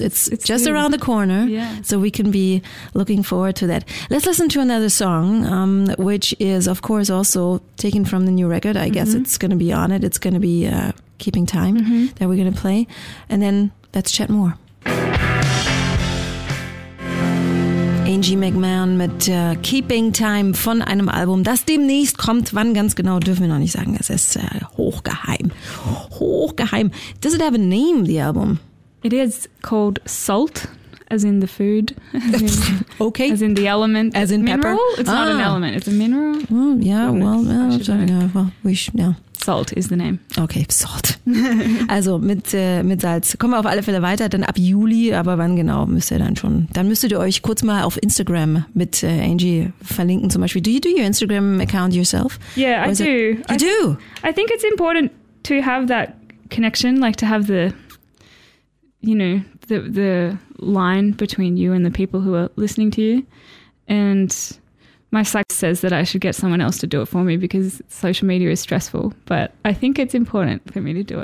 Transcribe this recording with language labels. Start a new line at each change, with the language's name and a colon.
English: It's just soon. Around the corner. Yeah. So we can be looking forward to that. Let's listen to another song, which is, of course, also taken from the new record. I guess it's going to be on it. It's going to be Keeping Time that we're going to play. And then let's chat more.
German: Angie McMahon mit Keeping Time von einem Album, das demnächst kommt. Wann ganz genau, dürfen wir noch nicht sagen. Es ist hochgeheim. Hochgeheim.
English: Does it have a name, the album? It is called Salt, as in the food. Okay. As in the element. As in mineral? Pepper? It's not an element. It's a mineral. Salt is the name.
German: Okay, Salt. Also mit Salz. Kommen wir auf alle Fälle weiter, dann ab Juli. Aber wann genau müsst ihr dann schon? Dann müsstet ihr euch kurz mal auf Instagram mit Angie verlinken zum Beispiel.
English: Do you do your Instagram account yourself? Yeah, I do. You do? I think it's important to have that connection, like to have the, you know, the line between you and the people who are listening to you. And my psych says that I should get someone else to do it for me because social media is stressful, but I think it's important for me to do it.